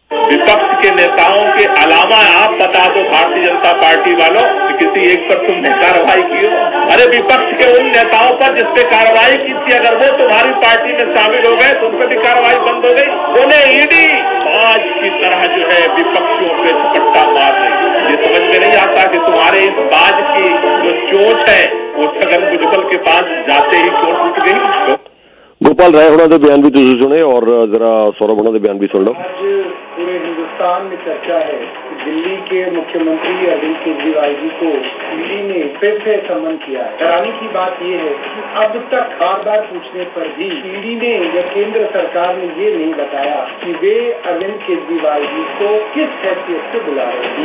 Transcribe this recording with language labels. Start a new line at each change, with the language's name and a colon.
Hindi: विपक्ष के नेताओं के अलावा आप बता दो भारतीय जनता पार्टी वालों कि किसी एक पर तुमने कार्रवाई की हो अरे विपक्ष के उन नेताओं पर जिसपे कार्रवाई की थी अगर वो तुम्हारी पार्टी में शामिल हो गए तो उन पर भी कार्रवाई बंद हो गई बोले ईडी आज की तरह जो है विपक्षियों पे झपट्टा मार रही ये समझ में नहीं आता कि तुम्हारे इस बाज की जो चोट है वो छगन भुजबल के पास जाते ही चोट टूट गई
Punjabi: ਗੋਪਾਲ ਰਾਏ ਹੁਣਾਂ ਦੇ ਬਿਆਨ ਵੀ ਤੁਸੀਂ ਸੁਣੇ ਔਰ ਜ਼ਰਾ ਸੌਰਭ ਹੁਣਾਂ ਦੇ ਬਿਆਨ ਵੀ ਸੁਣ ਲਓ ਪੂਰੇ ਹਿੰਦੁਸਤਾਨ ਚਰਚਾ ਹੈ
Hindi: दिल्ली के मुख्यमंत्री अरविंद केजरीवाल जी को ईडी ने फिर से समन किया है। हैरानी की बात ये है कि अब तक बार बार पूछने पर भी ईडी ने या केंद्र सरकार ने ये नहीं बताया कि वे अरविंद केजरीवाल जी को किस हैसियत से बुला रहे हैं।